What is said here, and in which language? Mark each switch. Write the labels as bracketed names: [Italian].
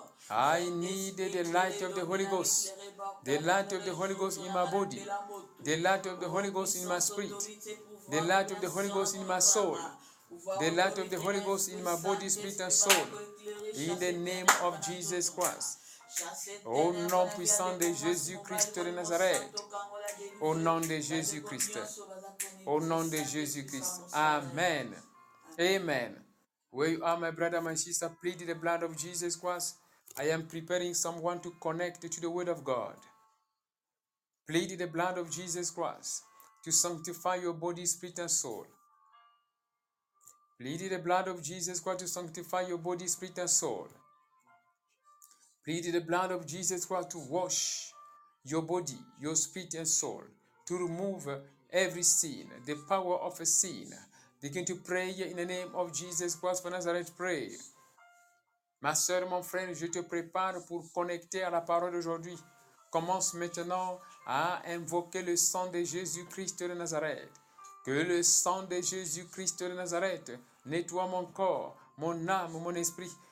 [English] I need the light of the Holy Ghost. The light of the Holy Ghost in my body. The light of the Holy Ghost in my spirit. The light of the Holy Ghost in my soul. The light of the Holy Ghost in my body, spirit, and soul. In the name of Jesus Christ. [French] Au nom puissant de Jésus-Christ de Nazareth. Au nom de Jésus-Christ. Au nom de Jésus-Christ. Amen. Amen. [English] Where you are, my brother, my sister, plead the blood of Jesus Christ. I am preparing someone to connect to the word of God. Plead the blood of Jesus Christ to sanctify your body, spirit, and soul. Plead the blood of Jesus Christ to sanctify your body, spirit, and soul. Plead the blood of Jesus Christ to wash your body, your spirit, and soul, to remove every sin, the power of a sin. Begin to pray in the name of Jesus Christ for Nazareth. Pray. [French] Ma soeur, mon frère, je te prépare pour connecter à la parole d'aujourd'hui. Commence maintenant à invoquer le sang de Jésus-Christ de Nazareth. Que le sang de Jésus-Christ de Nazareth nettoie mon corps, mon âme, mon esprit.